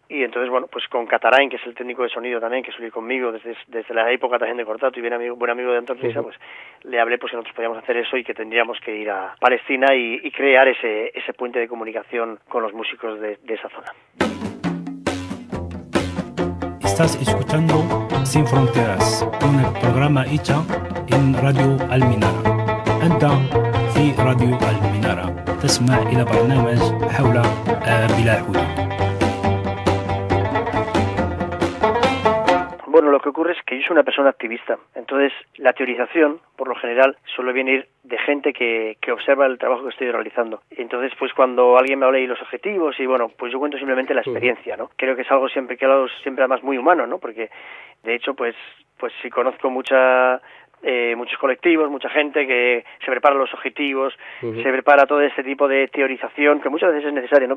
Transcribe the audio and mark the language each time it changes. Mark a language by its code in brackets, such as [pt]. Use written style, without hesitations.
[es] Y entonces, bueno, pues con Katarain, que es el técnico de sonido también, que suele ir conmigo desde la época también de Cortato y buen amigo de Anton Reisa, uh-huh, pues le hablé pues que nosotros podíamos hacer eso y que tendríamos que ir a Palestina y crear ese puente de comunicación con los músicos de esa zona. Estás escuchando Sin Fronteras, un programa hecho en Radio Almenara. [ar] Anta fi Radio Almenara. تسمع إلى برنامج حول بلا حدود. [es] Bueno, lo que ocurre es que yo soy una persona activista, entonces la teorización, por lo general, suele venir de gente que observa el trabajo que estoy realizando. Entonces, pues cuando alguien me habla y los objetivos, y bueno, pues yo cuento simplemente la experiencia, ¿no? Creo que es algo siempre que hablo, siempre además muy humano, ¿no? Porque, de hecho, pues si conozco muchos colectivos, mucha gente que se prepara los objetivos, uh-huh, se prepara todo este tipo de teorización, que muchas veces es necesario, ¿no?